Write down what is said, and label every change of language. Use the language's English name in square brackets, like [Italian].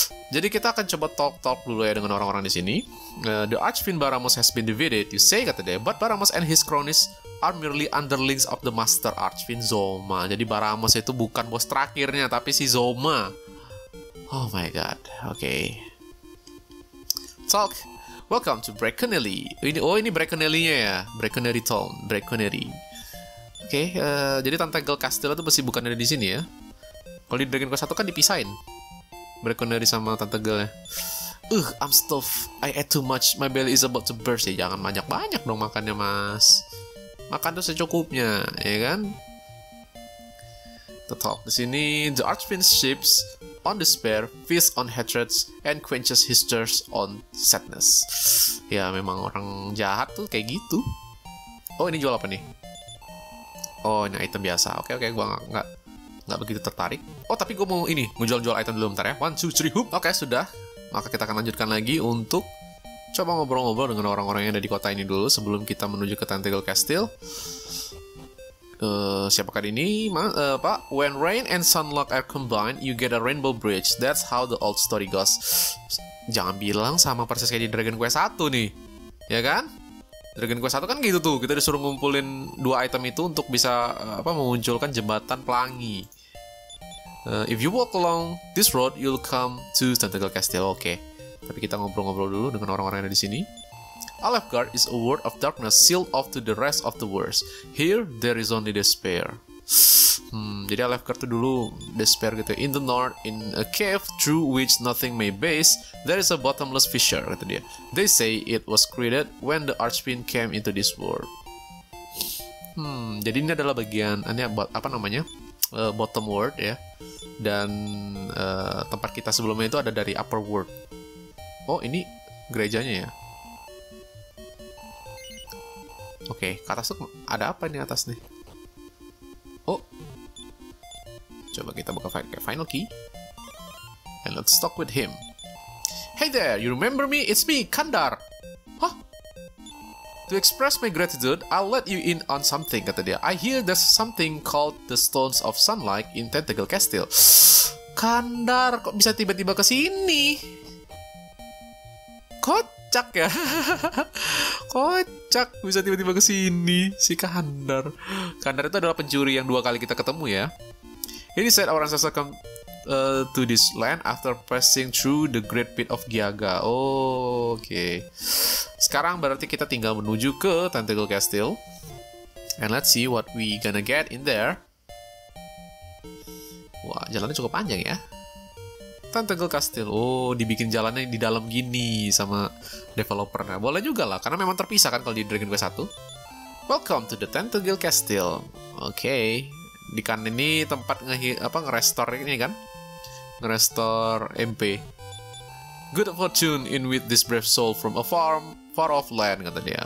[Indonesian] Jadi kita akan coba talk dulu ya dengan orang-orang di sini. [English] The Archfiend Baramos has been defeated, you say, [Indonesian] kata dia. [English] But Baramos and his cronies are merely underlings of the Master Archfiend Zoma. [Indonesian] Jadi Baramos itu bukan bos terakhirnya, tapi si Zoma. [English] Oh my god, okay. Talk. Welcome to Breconary. [Indonesian] Ini Breconary-nya ya. Breconary Town, Breconary. Okay, jadi Tentagel Castle itu pasti bukan ada di sini ya. Kalau di Dragon Quest 1 kan dipisahin Breconary sama Tentagelnya. [English] I'm stuffed. I ate too much. My belly is about to burst. [Indonesian] Ya jangan banyak-banyak dong makannya, Mas. Makan tuh secukupnya, ya kan? [English] The talk [Indonesian] di sini, [English] the Archfiend ships on despair, feasts on hatreds, and quenches his thirst on sadness. [Indonesian] Ya, memang orang jahat tuh kayak gitu. Oh, ini jual apa nih? Oh, ini item biasa. Oke, gue nggak begitu tertarik. Oh, tapi gue mau ini, ngejual-jual item dulu bentar ya. 1, 2, 3, hoop. Oke, sudah. Maka kita akan lanjutkan lagi untuk coba ngobrol-ngobrol dengan orang-orang yang ada di kota ini dulu sebelum kita menuju ke Tentagel Castle. Siapakah ini, Pak? [English] When rain and sunlock are combined, you get a rainbow bridge. That's how the old story goes. [Indonesian] Jangan bilang sama persis kayak di Dragon Quest 1 nih. Ya kan? Dragon Quest 1 kan gitu tuh. Kita disuruh ngumpulin dua item itu untuk bisa memunculkan jembatan pelangi. [English] If you walk along this road, you'll come to Tentagel Castle. Okay. [Indonesian] Tapi kita ngobrol-ngobrol dulu dengan orang-orang yang ada di sini. [English] Alefgar is a world of darkness sealed off to the rest of the world. Here, there is only despair. [Indonesian] Jadi Alefgar tuh dulu despair gitu. [English] In the north, in a cave through which nothing may pass, there is a bottomless fissure, [Indonesian] kata dia. [English] They say it was created when the Archfiend came into this world. [Indonesian] Jadi ini adalah bagian, ini apa namanya? Bottom world ya. Dan tempat kita sebelumnya itu ada dari upper world. Oh, ini gerejanya ya. Oke, ke atas tuh ada apa ini atas nih? Oh. Coba kita buka final key. [English] And let's talk with him. Hey there, you remember me? It's me, Kandar. Huh? To express my gratitude, I'll let you in on something, [Indonesian] kata dia. [English] I hear there's something called the Stones of Sunlight in Tentacle Castle. [Indonesian] Kandar, kok bisa tiba-tiba ke sini? Kocak ya. Kocak bisa tiba-tiba ke sini si Kandar. Kandar itu adalah pencuri yang dua kali kita ketemu ya. [English] Ini said our ancestors come to this land after passing through the Great Pit of Giaga. [Indonesian] Oke. Sekarang berarti kita tinggal menuju ke Tentacle Castle. [English] And let's see what we gonna get in there. [Indonesian] Wah, jalannya cukup panjang ya. Tentacle Castle. Oh, dibikin jalannya di dalam gini sama developer. Nah, boleh juga lah, karena memang terpisah kan kalau di Dragon Quest 1. [English] Welcome to the Tentacle Castle. Oke. [Indonesian] Di kan ini tempat ngerestore ini kan? Ngerestore MP. [English] Good fortune in with this brave soul from a farm far off land, [Indonesian] kata dia.